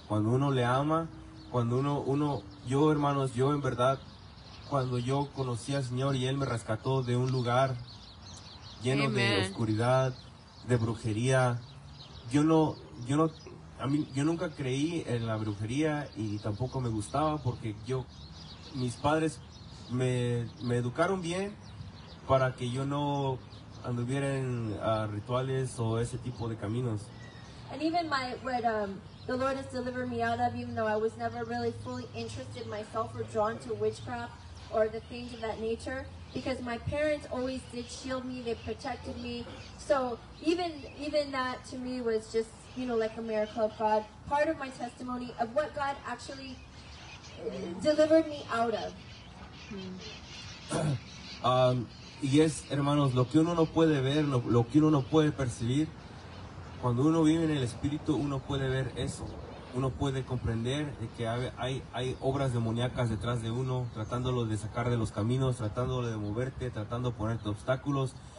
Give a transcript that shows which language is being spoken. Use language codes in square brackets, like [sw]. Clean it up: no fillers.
[es] Cuando uno le ama, cuando yo en verdad, cuando yo conocí al Señor y Él me rescató de un lugar lleno de oscuridad, de brujería, yo nunca creí en la brujería y tampoco me gustaba, porque mis padres me educaron bien para que yo no anduviera en rituales o ese tipo de caminos. [en] And even the Lord has delivered me out of, even though I was never really fully interested myself or drawn to witchcraft or the things of that nature, because my parents always did shield me, they protected me. So even that to me was just, you know, like a miracle of God, part of my testimony of what God actually delivered me out of. [es] Y es, hermanos, lo que uno no puede ver, lo que uno no puede percibir, cuando uno vive en el Espíritu, uno puede ver eso. Uno puede comprender de que hay obras demoníacas detrás de uno, tratándolo de sacar de los caminos, tratándolo de moverte, tratando de ponerte obstáculos.